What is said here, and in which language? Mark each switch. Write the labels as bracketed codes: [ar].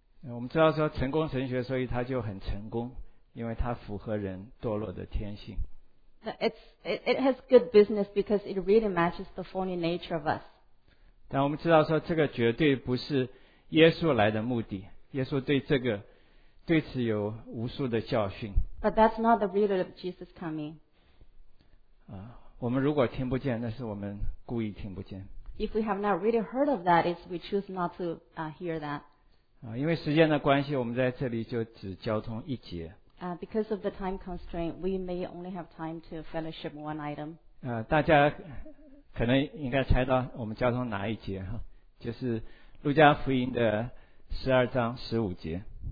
[zh] 我们知道说成功神学，所以他就很成功，因为他符合人堕落的天性。 [en] It has good business because it really matches the fallen nature of us. [zh] 但我们知道说这个绝对不是耶稣来的目的。耶稣对这个对此有无数的教训。 [en] But that's not the reason of Jesus coming. [zh] 我们如果听不见，那是我们故意听不见。 [en] If we have not really heard of that, it's we choose not to hear that. [zh] 因为时间的关系，我们在这里就只交通一节。 [en] Because of the time constraint, we may only have time to fellowship one item. [zh] 大家可能应该猜到我们交通哪一节哈，就是路加福音的十二章十五节。